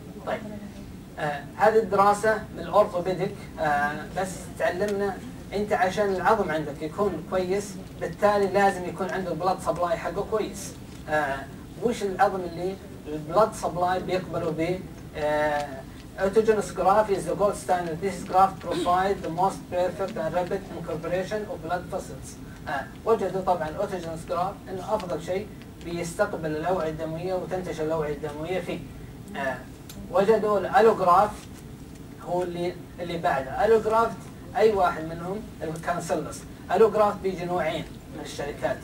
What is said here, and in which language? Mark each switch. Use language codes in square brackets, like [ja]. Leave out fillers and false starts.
[ar] طيب هذه الدراسة من الأورثوبيديك بس تعلمنا أنت عشان العظم عندك يكون كويس بالتالي لازم يكون عنده البلاد سبلاي حقه كويس. وش العظم اللي البلاد سبلاي بيقبله به؟ [en] Autogenous graft is the gold standard. This graft provides the most perfect and rapid incorporation of blood vessels. [ar] وجدوا طبعا autogenous graft انه افضل شيء بيستقبل الاوعيه الدمويه وتنتشر الاوعيه الدمويه فيه. وجدوا الالوغرافت هو اللي بعده. الالوغرافت اي واحد منهم الكانسلس. الالوغرافت بيجي نوعين من الشركات.